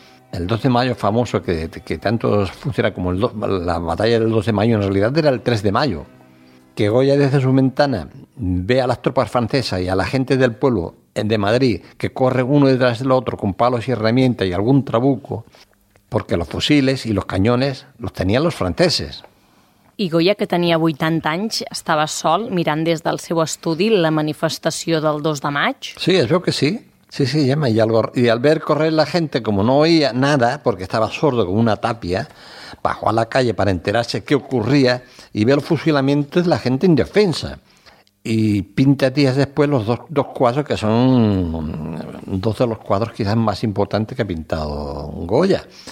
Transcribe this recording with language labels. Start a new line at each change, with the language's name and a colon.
Spanish: El 2 de mayo famoso, que tanto funciona como la batalla del 2 de mayo, en realidad era el 3 de mayo, que Goya desde su ventana ve a las tropas francesas y a la gente del pueblo de Madrid que corre uno detrás del otro con palos y herramientas y algún trabuco, porque los fusiles y los cañones los tenían los franceses.
Catalan: I Goya, que tenia 80 anys, estava sol mirant des del seu estudi la manifestació del 2 de maig? Sí, es veu que sí. Sí, sí,
Spanish: ya me llamo. Y al ver correr la gente, como no oía nada, porque estaba sordo como una tapia, bajó a la calle para enterarse qué ocurría y ve el fusilamiento de la gente indefensa. Y pinta días después los dos cuadros, que son dos de los cuadros quizás más importantes que ha pintado Goya.